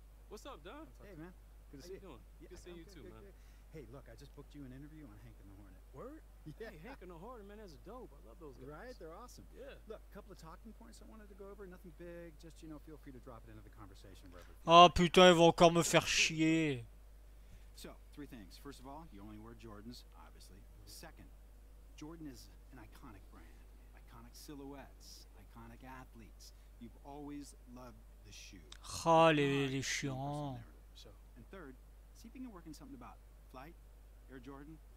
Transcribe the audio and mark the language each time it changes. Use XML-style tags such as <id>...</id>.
<en>What's up, Don? Hey, man. Good to see you. Good to see you too, man. Hey, look, I just booked you an interview on Hank and the Hornet. Word? Yeah. Hey, Hank and the Hornet, man, that's dope. I love those guys. Right? They're awesome. Yeah. Look, a couple of talking points I wanted to go over. Nothing big. Just, you know, feel free to drop it into the conversation wherever.</en> <fr>Oh, putain, ils vont encore me faire chier.</fr> <en>So, three things. First of all, you only wear Jordans, obviously. Second, Jordan is an iconic brand. Iconic silhouettes. Iconic athletes. You've always loved the shoe.</en> <fr>Ah, oh, les chiants.</fr> <en>So, and third, see if you can work in something about flight, Air Jordan.</en>